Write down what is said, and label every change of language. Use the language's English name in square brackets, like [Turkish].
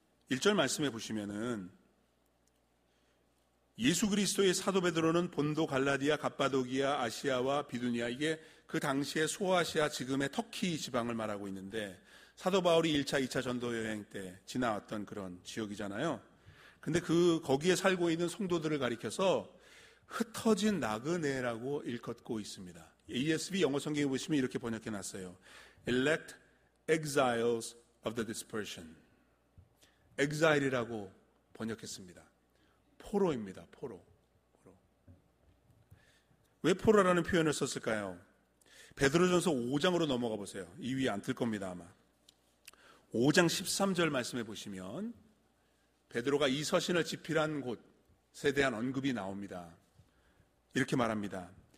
[Korean] 1절 말씀해 보시면은 예수 그리스도의 사도 베드로는 본도 갈라디아, 갑바도기아, 아시아와 비두니아, 이게 그 당시에 소아시아 지금의 터키 지방을 말하고 있는데 사도 바울이 1차, 2차 전도 여행 때 지나왔던 그런 지역이잖아요. 근데 그 거기에 살고 있는 성도들을 가리켜서 흩어진 나그네라고 일컫고 있습니다. ESV 영어 성경에 보시면 이렇게 번역해 놨어요. [English] Elect exiles of the dispersion. [Korean] Exile이라고 번역했습니다. 포로입니다. 포로. 포로. 왜 포로라는 표현을 썼을까요? 베드로전서 5장으로 넘어가 보세요. 이 위에 안 뜰 겁니다. 아마. 5장 13절 말씀해 보시면 베드로가 이 서신을 집필한 곳에 대한 언급이 나옵니다. 이렇게 말합니다.